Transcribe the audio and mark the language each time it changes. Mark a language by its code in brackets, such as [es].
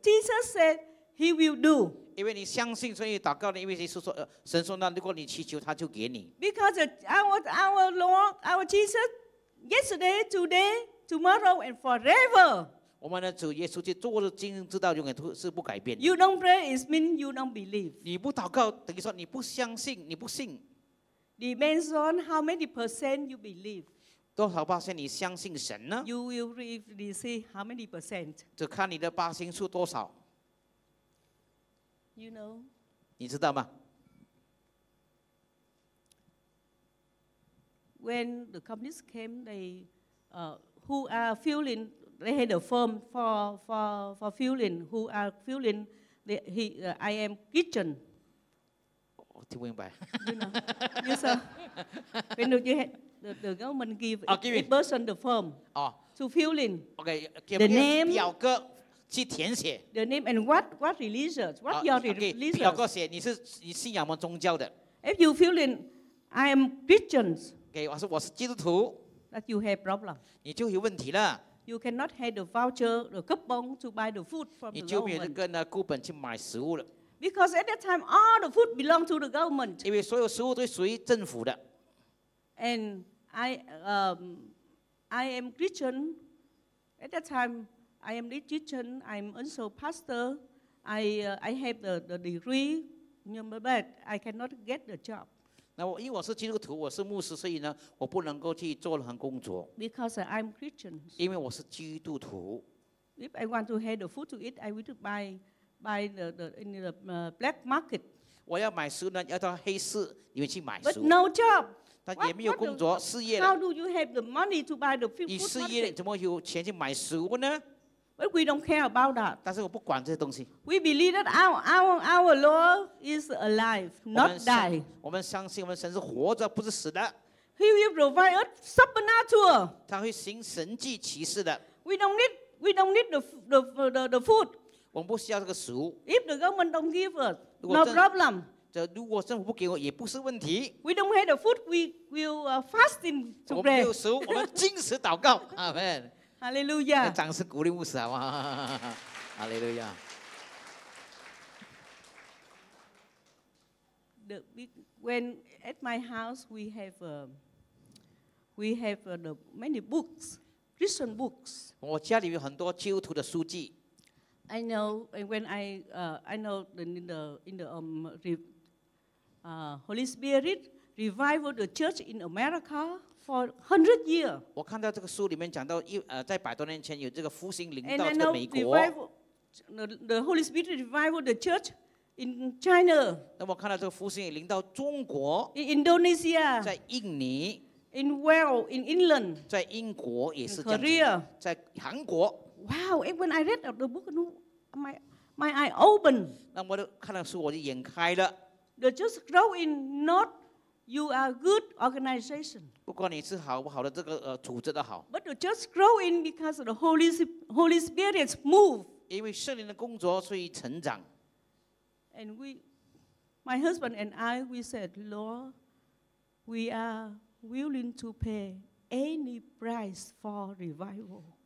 [en] Jesus said he will do. [zh] 因为你相信，所以祷告的。因为耶稣说，神说那如果你祈求，他就给你。 [en] Because our Lord, our Jesus, yesterday, today, tomorrow, and forever. [zh] 我们的主耶稣基督做的今日之道永远都是不改变的。 [en] You don't pray is mean you don't believe. [zh] 你不祷告，等于说你不相信，你不信。 [en] Depends on how many percent you believe. [zh] 多少巴仙你相信神呢 [en] ？You will receive how many percent? [zh] 就看你的巴仙数多少。 [en] You know? [zh] 你知道吗 [en] ？When the companies came, they who are filling, they had a form for filling. Who are filling? I am kitchen. [zh] 听不明白。 [en] You know, you saw. When the government give a person the form to fill in the name, [zh] 表格去填写 [en] the name and what religious, what your religious. [zh] 表格写你信仰什么宗教的。 [en] If you fill in, I am Christian. [zh] Okay, 我说我是基督徒。 [en] that you have problem. [zh] 你就有问题了。 [en] You cannot have the voucher, the coupon to buy the food from the government. [zh] 你就没有那个coupon去买食物了。 [en] Because at that time, all the food belonged to the government. [zh] 因为所有食物都属于政府的。 [en] And I am Christian. At that time, I am a Christian. I'm also a pastor. I have the degree, but I cannot get the job. [zh] 那我因为我是基督徒，我是牧师，所以呢，我不能够去做那份工作。 [en] Because I'm Christian. [zh] 因为我是基督徒。 [en] If I want to have the food to eat, I will buy in the black market. [zh] 我要买书呢，要到黑市里面去买书。 [en] But no job. [zh] 但也没有工作，失业了。 [en] How do you have the money to buy the food? [zh] 你失业了，怎么有钱去买食物呢？ [en] But we don't care about that. [zh] 但是我不管这些东西。 [en] We believe that our Lord is alive, not die. [zh] 我们相信我们神是活着，不是死的。 [en] He will provide us supernatural. [zh] 他会行神迹奇事的。 [en] We don't need the food. [zh] 我们不需要这个食物。 [en] If the government don't give us, no problem. [zh] 如果政府不给我，也不是问题。 [en] We don't have the food, we will fasting to pray. [zh] 我们没有食物，我们禁食祷告。 [en] Amen. Hallelujah. [zh] 掌声鼓励牧师好吗？Hallelujah. [en] When at my house we have many books, Christian books. [zh] 我家里有很多基督徒的书籍。 [en] I know, and when I know in the Holy Spirit revival the church in America. For 100 years, [zh] 我看到这个书里面讲到，在百多年前有这个复兴临到这个美国。 [en] The Holy Spirit revived the church in China. [zh] 那我看到这个复兴临到中国。In [en] Indonesia. [zh] 在印尼。 [en] In Wales, in England. [zh] 在英国也是这样。Korea. 在韩国。 [en] Wow! When I read the book, my eye opened. [zh] 那我看到书，我就眼开了。The [en] church grow in not. You are good organization. [zh] 不管你是好不好的这个组织的好。 [en] But the church grow in because of the Holy Spirit move. [zh] 因为圣灵的工作，所以成长。 [en] And my husband and I, we said, Lord, we are willing to pay any price for revival.